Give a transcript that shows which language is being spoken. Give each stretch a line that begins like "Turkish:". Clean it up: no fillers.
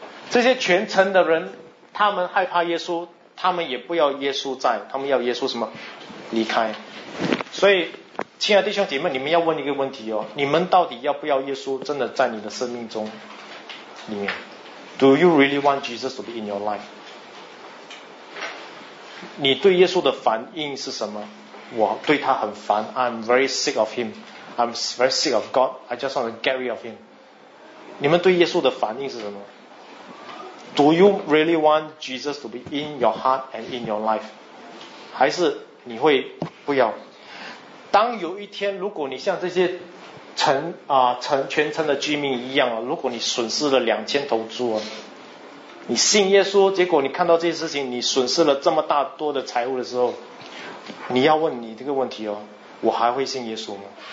Chinese: 这些全城的人他们害怕耶稣，他们也不要耶稣在，他们要耶稣什么离开。所以亲爱的弟兄姐妹，你们要问一个问题哦，你们到底要不要耶稣真的在你的生命中里面？
English: Do you really want Jesus to be in your life?
Chinese: 你对耶稣的反应是什么？我对他很烦， I'm very sick of him, I'm very sick of God, I just want to get rid of him。你们对耶稣的反应是什么？
English: Do you really want Jesus to be in your heart and in your life?
Chinese: 还是你会不要？当有一天如果你像这些全城的居民一样，如果你损失了2000头猪，你信耶稣结果你看到这些事情，你损失了这么大多的财物的时候，你要问你这个问题哦，我还会信耶稣吗？